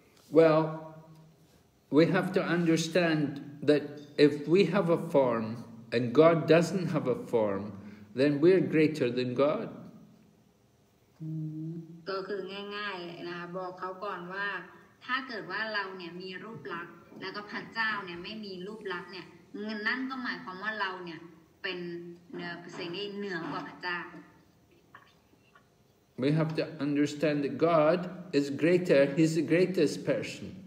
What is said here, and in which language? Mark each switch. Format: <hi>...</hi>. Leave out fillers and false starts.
<en>Well, we have to understand that if we have a form and God doesn't have a form, then we're greater than God.</en> <th>ก็คือง่ายๆนะครับ บอกเขาก่อนว่าถ้าเกิดว่าเราเนี่ยมีรูปลักษณ์แล้วก็พระเจ้าเนี่ยไม่มีรูปลักษณ์เนี่ยนั่นก็หมายความว่าเราเนี่ยเป็นสิ่งที่เหนือกว่าพระเจ้า</th> <en>We have to understand that God is greater. He's the greatest person.</en>